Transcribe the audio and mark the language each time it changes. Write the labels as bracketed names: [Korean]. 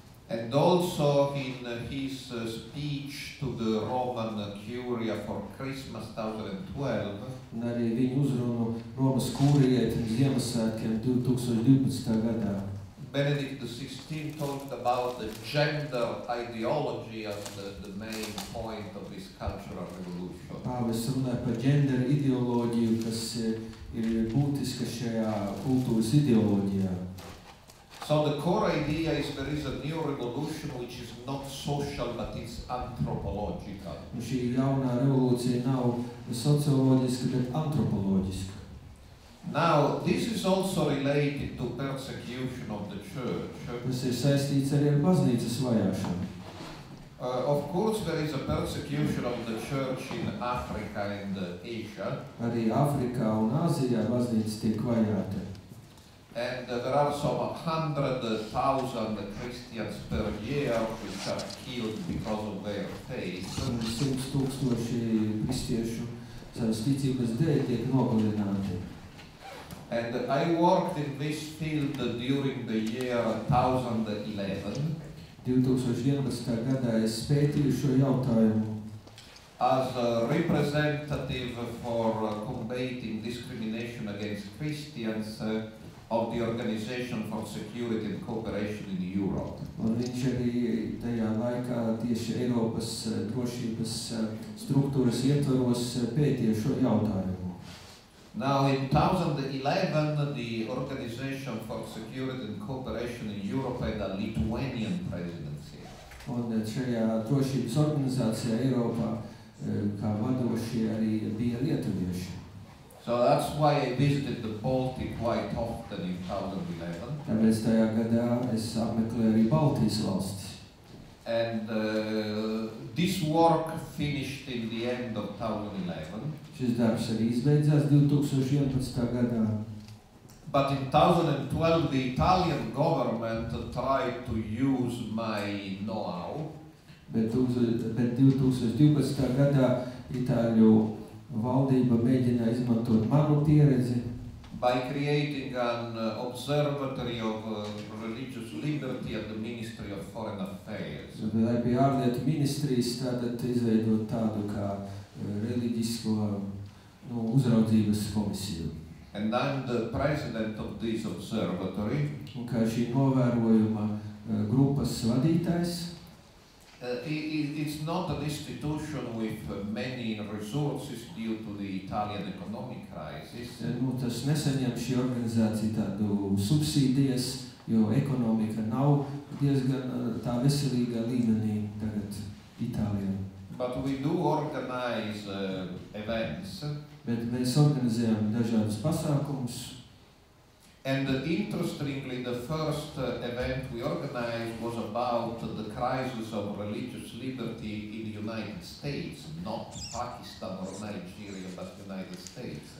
[English] And also in his speech to the Roman Curia for Christmas 2012, Benedict XVI talked about the gender ideology as the main point of his cultural revolution. [Latvian] Pāvests runāja par gender ideoloģiju, kas ir būtiska šajā kultūras ideoloģijā. [English] So the core idea is there is a new revolution which is not social but it's anthropological. [Latvian] Šī jaunā revolūcija nav socioloģiska, bet antropoloģiska. [English] Now, this is also related to persecution of the church. [Latvian] Tas ir saistīts arī ar baznīcas vajāšanu. [English] Of course, there is a persecution of the church in Africa and Asia. [Latvian] Arī Afrikā un Āzijā baznīcas tiek vajāta. [English] And there are some 100,000 Christians per year which are killed because of their faith. [Latvian] 100,000 kristiešu savas ticības dēļ tiek nogalināti. [English] And I worked in this field during the year 2011 as a representative for combating discrimination against Christians of the Organization for Security and Cooperation in Europe. [Latvian] Un viņš arī tajā laikā tieši Eiropas drošības struktūras ietvaros pētīja šo jautājumu. [English] Now, in 2011, the Organization for Security and Cooperation in Europe had a Lithuanian presidency. [Latvian] Un šajā drošības organizācijā Eiropā, kā vadoši, arī bija lietuvieši. [English] So that's why I visited the Baltic quite often in 2011. [Latvian] Tāpēc tajā gadā es apmeklēju arī Baltijas valstis. [English] And this work finished in the end of 2011. [Latvian] Šis darbs arī izbeidzās 2011. Gadā. [English] But in 2012 the Italian government tried to use my know-how. [Latvian] Bet 2012. Gadā Itāļu valdība mēģināja izmantot manu pieredzi. [English] by creating an observatory of religious liberty at the Ministry of Foreign Affairs. [Latvian] Lai pie ārlietu ministrijas tātad izveidot tādu kā reliģisko nu, uzraudzības komisiju. [English] And I'm the president of this observatory. [Latvian] Un kā šī novērojuma grupas vadītājs. [English] It's not an institution with many resources due to the Italian economic crisis. [Latvian] Nu, tas neseņem šī organizācija tādu subsīdijas, jo ekonomika nav diezgan tā veselīgā līmenī tagad Itālijā. [English] But we do organize events. [Latvian] Bet mēs organizējam dažādus pasākumus. [English] And interestingly, the first event we organized was about the crisis of religious liberty in the United States, not Pakistan or Nigeria, but the United States.